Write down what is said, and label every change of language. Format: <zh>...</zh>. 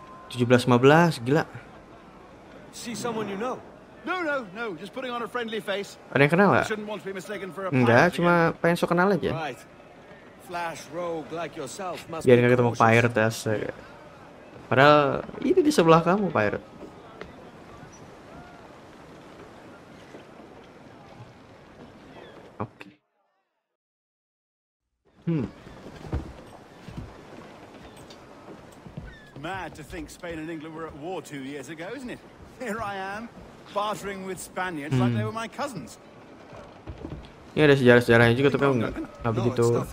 <id>1715, gila.</id> <en>See someone you know? No, just putting on a friendly face.</en> <id>Ada yang kenal gak?</id> <en>Shouldn't want to be mistaken for a pirate.</en> <id>Enggak, cuma pengen sok kenal aja.</id> <en>Right. Flash rogue like yourself must be.</en> <id>Biar gak ketemu pirate ya. Padahal ini di sebelah kamu pirate.</id> <en>Mad to think Spain and England were at war 2 years ago, isn't it? Here I am, bartering with Spaniards like they were my cousins.</en> <id>Ini ada sejarah-sejarahnya juga, tapi aku nggak begitu.</id>